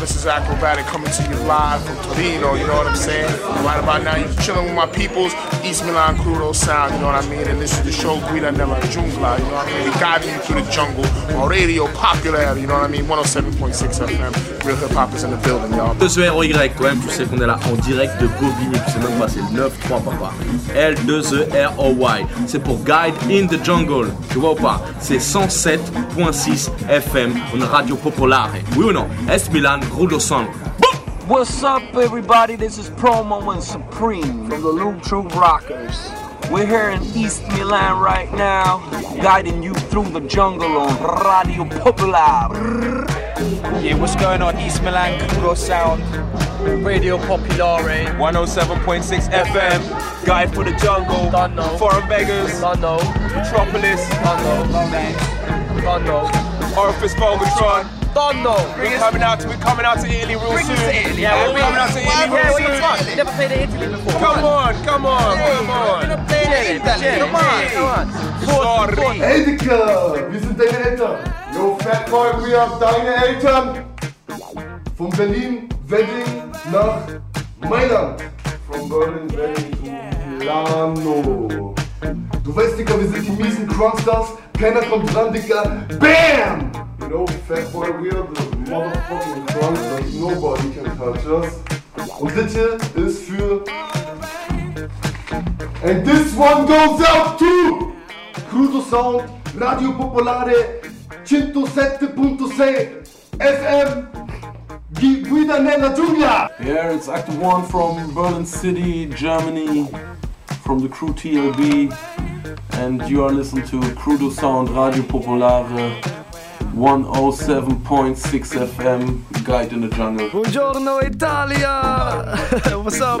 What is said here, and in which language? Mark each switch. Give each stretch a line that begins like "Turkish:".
English: This is Acrobatic coming to you live from Torino, you know what I'm saying? Right about now, you're chilling with my peoples, East Milan Crudo Sound, you know what I mean? And this is the show, Guida Nella Jungla, you know what I mean? We're guiding you through the jungle on Radio Popular, you know what I mean? 107.6 FM, real hip-hop is in the building, y'all.
French: L2EY, quand même, tu sais qu'on est là en direct de Bobigny, tu sais même pas, c'est 9-3, papa. L2EY, c'est pour Guide in the Jungle, tu vois ou pas? C'est 107.6 FM, une radio popolare, oui ou non?
English: East Milan, Crudo Sound. What's up, everybody? This is Promo and Supreme from the Loom True Rockers. We're here in East Milan right now, guiding you through the jungle on Radio Popolare. Yeah, what's going on, East Milan, Crudo Sound, Radio Popolare, 107.6 FM, guide for the jungle, London, Foreign Beggars, London, Metropolis, London, London, Orifice Volgatron. Dondo. We're coming out to Italy real bring soon. Us to Italy. Yeah, we're coming out to Italy real soon. Never played in Italy before. Come on.
German: Wir sind Daniel Eltern.
English: Yo, Fat Boy, we are
German: deine Eltern. Von Berlin, Wedding nach Mailand.
English: From Berlin, Wedding to Milano.
German: Du weißt, Digga, wir sind die miesen Crunkstars. Keiner kommt dran, Digga. Bam!
English: You know, Fat Boy, we are the motherfucking Crunkstars. Nobody can touch us.
German: Und das hier ist für...
English: And this one goes out to...
Italian: Crudo Sound, Radio Popolare, 107.6 FM, Guida nella Giulia!
English: Yeah, it's Actor 1 from Berlin City, Germany. From the crew TLB, and you are listening to Crudo Sound Radio Popolare 107.6 FM, Guide in the Jungle.
Italian: Buongiorno Italia!
English: What's up?